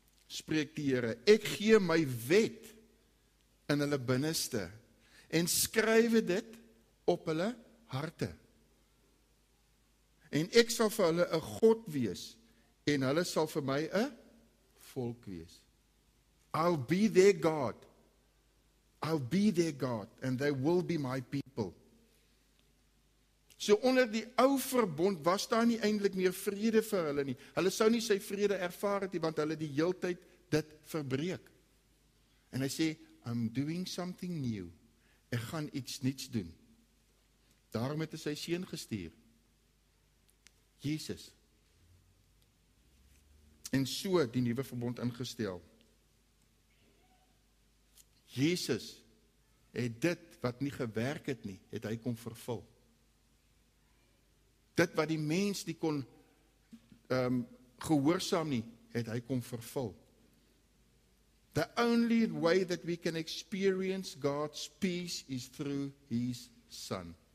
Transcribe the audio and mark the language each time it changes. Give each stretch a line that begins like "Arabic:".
Afrikaans: Spreek die Here, ek gee my wet in hulle binneste, en skrywe dit op hulle harte. En ek sal vir hulle 'n God wees, en hulle sal vir my 'n volk wees.
English: I'll be their God. I'll be their God, and they will be my people.
Afrikaans: So onder die ou verbond was daar nie eindelijk meer vrede vir hulle nie. Hulle sou nie sy vrede ervaar het nie, want hulle die heel tyd dit verbreek. En hy sê,
English: I'm doing something new.
Afrikaans: Ek gaan iets niets doen. Daarom het hy sy seun gestuur. Jesus. En so die nuwe verbond ingestel. Jesus het dit wat nie gewerk het nie, het hy kom vervul. Dit wat die mens nie kon gehoorsaam nie, het hy kom vervul.
English: The only way that we can experience God's peace is through His Son.